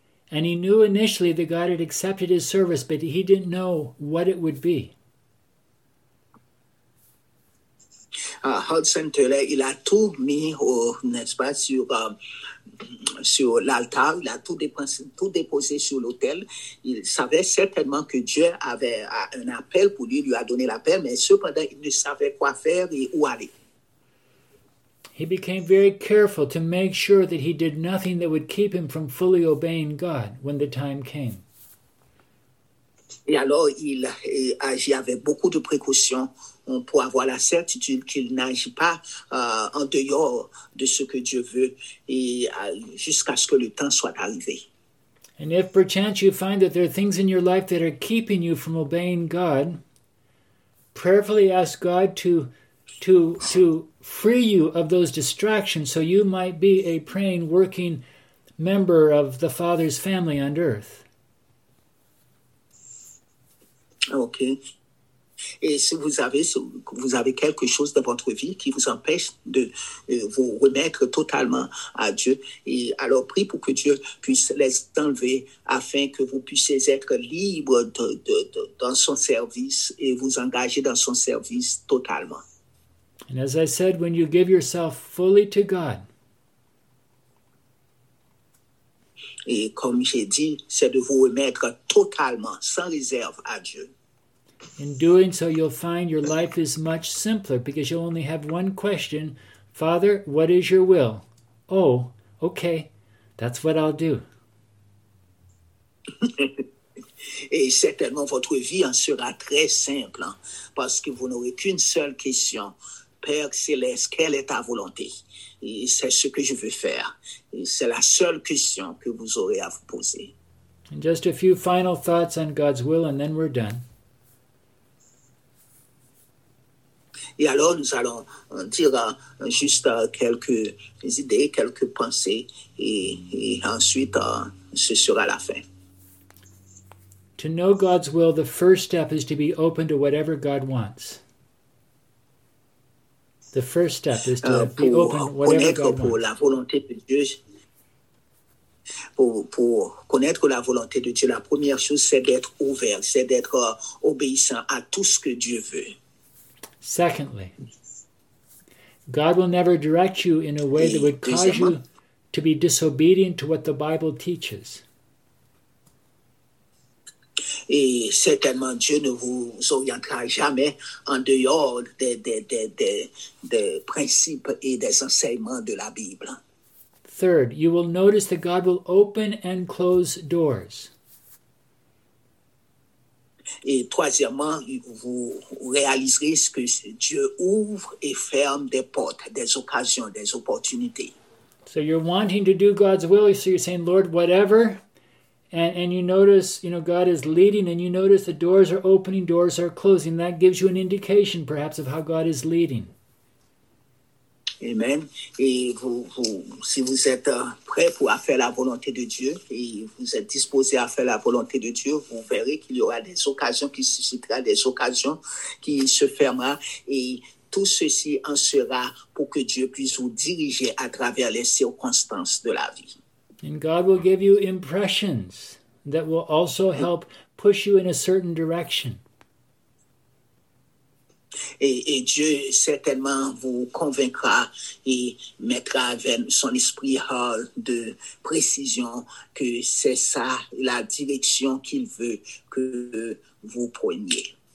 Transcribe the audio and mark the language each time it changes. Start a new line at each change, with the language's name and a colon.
English: And he knew initially that God had accepted his service, but he didn't know what it would be.
French: Hudson Taylor, il a tout mis, n'est-ce pas, sur l'altar, il a tout déposé sur l'autel. Il savait certainement que Dieu avait un appel pour lui, lui a donné l'appel, mais cependant, il ne savait quoi faire et où aller.
English: He became very careful to make sure that he did nothing that would keep him from fully obeying God when the time came.
French: Et alors il agit avec beaucoup de précautions pour avoir la certitude qu'il n'agit pas en dehors de ce que Dieu veut et jusqu'à ce que le temps soit arrivé.
English: And if perchance you find that there are things in your life that are keeping you from obeying God, prayerfully ask God to free you of those distractions so you might be a praying, working member of the Father's family on earth. Okay.
French: Et si vous avez quelque chose dans votre vie qui vous empêche de vous remettre totalement à Dieu, et alors prie pour que Dieu puisse les enlever afin que vous puissiez être libre dans son service et vous engager dans son service totalement.
English: And as I said, when you give yourself fully to God,
French: et comme j'ai dit, c'est de vous remettre totalement, sans réserve à Dieu.
English: In doing so, you'll find your life is much simpler because you'll only have one question. Father, what is your will? Oh, okay, that's what I'll do.
French: Et certainement, votre vie en sera très simple, hein, parce que vous n'aurez qu'une seule question. Père céleste, quelle est ta volonté? Et c'est ce que je veux faire. Et c'est la seule question que vous aurez à vous poser.
English: And just a few final thoughts on God's will, and then we're done.
French: Et alors, nous allons dire juste quelques idées, quelques pensées, et ensuite, ce sera la fin.
English: To know God's will, the first step is to be open to whatever God wants. The first step is to be open to whatever God wants.
French: Pour la volonté de Dieu, pour connaître la volonté de Dieu, la première chose, c'est d'être ouvert, c'est d'être obéissant à tout ce que Dieu veut.
English: Secondly, God will never direct you in a way that would cause you to be disobedient to what the Bible teaches.
French: Et certainement Dieu ne vous orientera jamais en dehors des principes et des enseignements de la Bible.
English: Third, you will notice that God will open and close doors.
French: Et troisièmement, vous réaliserez ce que Dieu ouvre et ferme des portes, des occasions, des opportunités.
English: So you're wanting to do God's will, so you're saying, Lord, whatever. And you notice, you know, God is leading, and you notice the doors are opening, doors are closing. That gives you an indication, perhaps, of how God is leading. Amen.
French: Et si vous êtes prêt pour faire la volonté de Dieu, et vous êtes disposé à faire la volonté de Dieu, vous verrez qu'il y aura des occasions qui suscitera, des occasions qui se fermera, et tout ceci en sera pour que Dieu puisse vous diriger à travers les circonstances de la vie.
English: And God will give you impressions that will also help push you in a certain direction.
French: Et Dieu certainement vous convaincra et mettra avec son esprit de précision que c'est ça la direction qu'il veut que vous preniez.